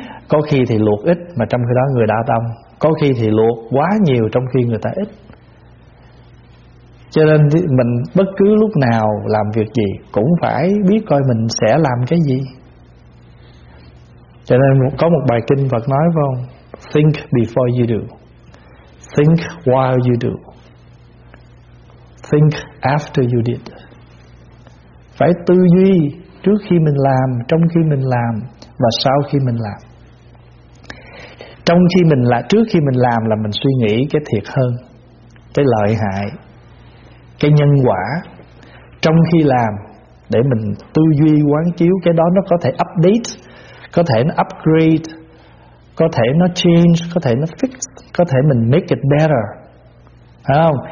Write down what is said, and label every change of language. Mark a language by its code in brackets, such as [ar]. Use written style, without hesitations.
[vi] Có khi thì luộc ít mà trong khi đó người đã đông, có khi thì luộc quá nhiều trong khi người ta ít. Cho nên mình bất cứ lúc nào làm việc gì cũng phải biết coi mình sẽ làm cái gì. Cho nên có một bài kinh Phật nói phải không? [en] Think before you do, think while you do, think after you did. [vi] Phải tư duy trước khi mình làm, trong khi mình làm và sau khi mình làm. Trong khi mình là trước khi mình làm là mình suy nghĩ cái thiệt hơn, cái lợi hại, cái nhân quả. Trong khi làm để mình tư duy quán chiếu cái đó, nó có thể update, có thể nó upgrade, có thể nó change, có thể nó fix, có thể mình [en] make it better. [vi] Phải không?